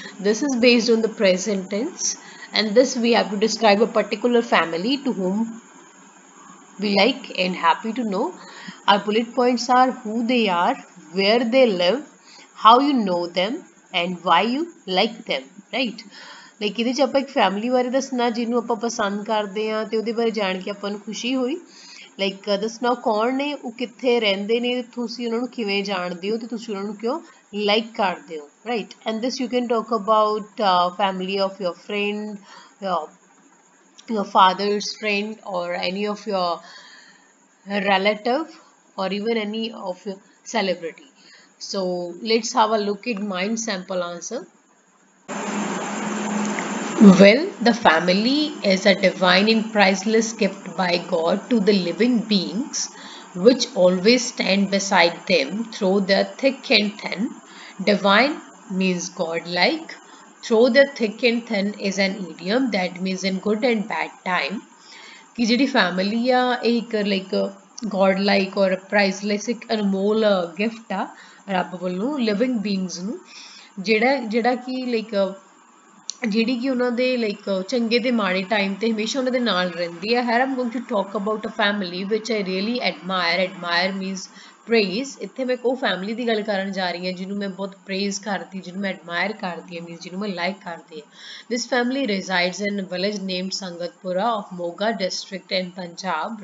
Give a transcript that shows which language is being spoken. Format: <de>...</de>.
<en>This is based on the present tense, and this we have to describe a particular family to whom we like and happy to know. Our bullet points are who they are, where they live, how you know them and why you like them, right?</en> <pa>Like ਇਹਦੇ ਚ ਆਪਾਂ ਇੱਕ family ਬਾਰੇ ਦੱਸਣਾ ਜਿਹਨੂੰ ਆਪਾਂ ਪਸੰਦ ਕਰਦੇ ਹਾਂ ਅਤੇ ਉਹਦੇ ਬਾਰੇ ਜਾਣ ਕੇ ਆਪਾਂ ਨੂੰ ਖੁਸ਼ੀ ਹੋਈ। ਲਾਈਕ ਦੱਸਣਾ ਕੌਣ ਨੇ, ਉਹ ਕਿੱਥੇ ਰਹਿੰਦੇ ਨੇ, ਤੁਸੀਂ ਉਹਨਾਂ ਨੂੰ ਕਿਵੇਂ ਜਾਣਦੇ ਹੋ ਅਤੇ ਤੁਸੀਂ ਉਹਨਾਂ ਨੂੰ ਕਿਉਂ ਲਾਈਕ ਕਰਦੇ ਹੋ, right?</pa> <en>And this you can talk about family of your friend, your father's friend or any of your relative or even any of your celebrity. So let's have a look it mind sample answer. Well, the family is a divine and priceless gift by God to the living beings which always stand beside them through the thick and thin. Divine means godlike. Through the thick and thin is an idiom that means in good and bad time.</en> <pa>ki jehdi family a eh like</pa> <en>godlike or priceless</en> <pa>ek anmol gift a rab vallo living beings nu jehda ki like ਜਿਹੜੀ ਕਿ ਉਹਨਾਂ ਦੇ like ਚੰਗੇ ਅਤੇ ਮਾੜੇ time 'ਤੇ ਹਮੇਸ਼ਾ ਉਹਨਾਂ ਦੇ ਨਾਲ ਰਹਿੰਦੀ ਹੈ।</pa> <en>Here I'm going to talk about a family ਵਿੱਚ I really admire. Admire means praise.</en> <pa>ਇੱਥੇ ਮੈਂ ਇੱਕ ਉਹ ਫੈਮਿਲੀ ਦੀ ਗੱਲ ਕਰਨ ਜਾ ਰਹੀ ਹਾਂ ਜਿਹਨੂੰ ਮੈਂ ਬਹੁਤ ਪ੍ਰੇਜ਼ ਕਰਦੀ, ਜਿਹਨੂੰ ਮੈਂ ਐਡਮਾਇਰ ਕਰਦੀ ਹਾਂ, ਮੀਨਸ ਜਿਹਨੂੰ ਮੈਂ ਲਾਈਕ ਕਰਦੀ ਹਾਂ।</pa> <en>This family resides in village name Sangatpura of Moga district in Punjab.</en>